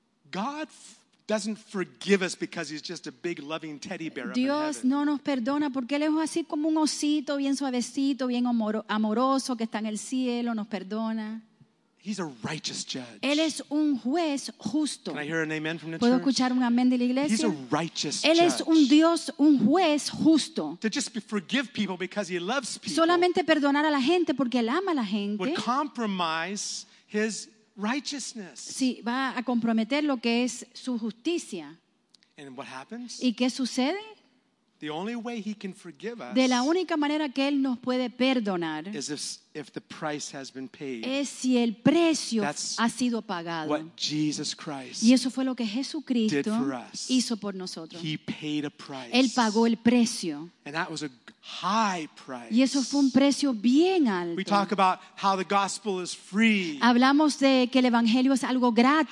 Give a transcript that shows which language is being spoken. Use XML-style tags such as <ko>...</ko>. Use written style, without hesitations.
<en>God doesn't forgive us because he's just a big loving teddy bear.</en> <es>Dios</es> <en>up in</en> <es>no nos perdona porque él es así como un osito bien suavecito, bien amoroso que está en el cielo, nos perdona.</es> <en>He's a righteous judge.</en> <es>Él es un juez justo.</es> <en>Can I hear an amen from the</en> <es>¿Puedo</es> <en>church?</en> <es>Escuchar un amén de la iglesia?</es> <en>He's a righteous</en> <es>Él es un Dios, un juez justo.</es> <en>To just forgive people because he loves people.</en> <es>Solamente perdonar a la gente porque él ama a la gente.</es> <en>Would compromise his righteousness.</en> <es>Sí, va a comprometer lo que es su justicia.</es> <en>And what happens?</en> <es>¿Y qué sucede?</es> <en>The only way he can forgive us</en> <es>de la única manera que él nos puede perdonar</es> <en>is if the price has been paid.</en> <es>Es si el precio</es> <en>That's</en> <es>ha sido pagado.</es> <en>What Jesus Christ</en> <es>y eso fue lo que Jesucristo hizo por nosotros.</es> <en>He paid a price.</en> <es>Él pagó el precio.</es> <en>And that was a high price.</en> <es>Y eso fue un precio bien alto.</es> <en>We talk about how the gospel is free.</en> <es>Hablamos de que el evangelio es algo gratis.</es>